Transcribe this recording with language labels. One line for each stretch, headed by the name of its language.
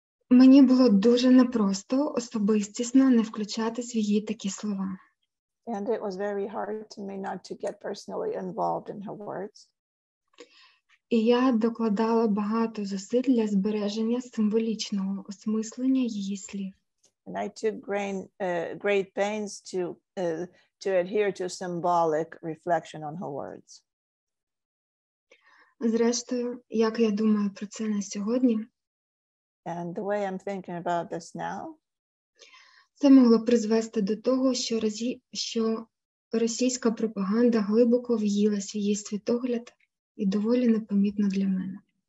Ukrainian: Мені було дуже непросто особистісно не включатись в її такі слова.
English: And it was very hard to me not to get personally involved in her words.
Ukrainian: І я докладала багато зусиль для збереження символічного осмислення її слів.
English: And I took great pains to adhere to symbolic reflection on her words.
Ukrainian: Зрештою, як я думаю про це на сьогодні,
English: and the way I'm thinking about this now,
Ukrainian: це могло призвести до того, що російська пропаганда глибоко в'їлась в її світогляд. І доволі непомітно для мене.